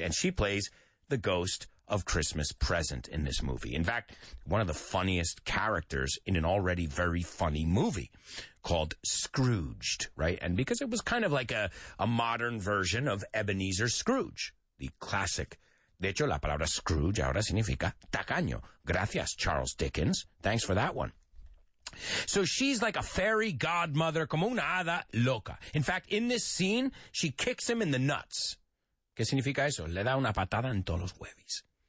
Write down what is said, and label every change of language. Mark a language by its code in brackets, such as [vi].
[en] And she plays the Ghost of Christmas Present in this movie. In fact, one of the funniest characters in an already very funny movie called Scrooged, right? And because it was kind of like a modern version of Ebenezer Scrooge, the classic. [es] De hecho, la palabra Scrooge ahora significa tacaño. Gracias, [en] Charles Dickens. Thanks for that one. So she's like a fairy godmother, [es] como una hada loca. [en] In fact, in this scene, she kicks him in the nuts. [es] ¿Qué significa eso? Le da una patada en todos los huevos.